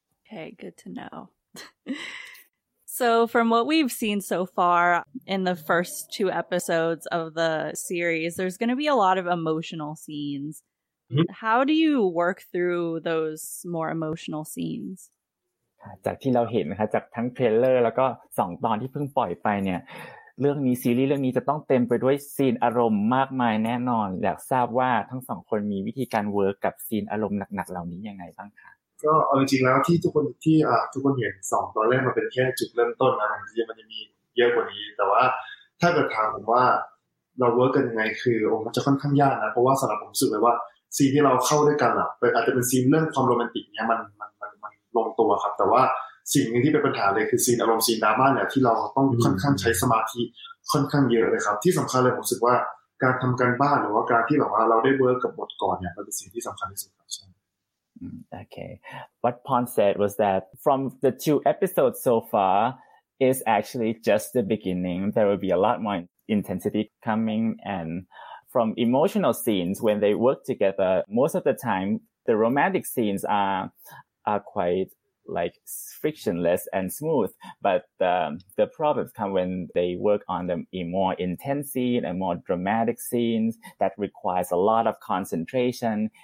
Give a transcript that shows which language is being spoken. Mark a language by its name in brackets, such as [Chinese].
[English] Okay, good to know. So from what we've seen so far in the first two episodes of the series, there's going to be a lot of emotional scenes. Mm-hmm. How do you work through those more emotional scenes? [Thai] จากที่เราเห็นนะคะจากทั้งเทรลเลอร์แล้วก็2ตอนที่เพิ่งปล่อยไปเนี่ยเรื่องนี้ซีรีส์เรื่องนี้จะต้องเต็มไปด้วยซีนอารมณ์มากมายแน่นอนอยากทราบว่าทั้ง2คนมีวิธีการเวิร์คกับซีนอารมณ์หนักๆเหล่านี้ยังไงบ้างคะ ก็จริงๆแล้วที่ทุกคนเห็น2ตอนแรกมันเป็นแค่จุดเริ่มต้นนะจริงๆมันจะมีเยอะกว่านี้แต่ว่าถ้าเกิดถามผมว่าเราเวิร์คกันยังไงคือมันจะค่อนข้างยากนะเพราะว่าสำหรับผมรู้สึกเลยว่าซีนที่เราเข้าด้วยกันอ่ะอาจจะเป็นซีนเรื่องความโรแมนติกเนี่ยมันลงตัวครับแต่ว่าสิ่งนึงที่เป็นปัญหาเลยคือซีนอารมณ์ซีนดราม่าเนี่ยที่เราต้องค่อนข้างใช้สมาธิค่อนข้างเยอะเลยครับที่สำคัญเลยผมรู้สึกว่าการทำการบ้านหรือว่าการที่แบบว่าเราได้เวิร์กกับบทก่อนเนี่ยเป็นสิ่งที่สำคัญที่สุดครับใช่ [English] Okay. What Pawn said was that from the two episodes so far is actually just the beginning. There will be a lot more intensity coming and from emotional scenes when they work together, most of the time the romantic scenes are quite like frictionless and smooth, but the problems come when they work on them in more intense scene and more dramatic scenes that requires a lot of concentration.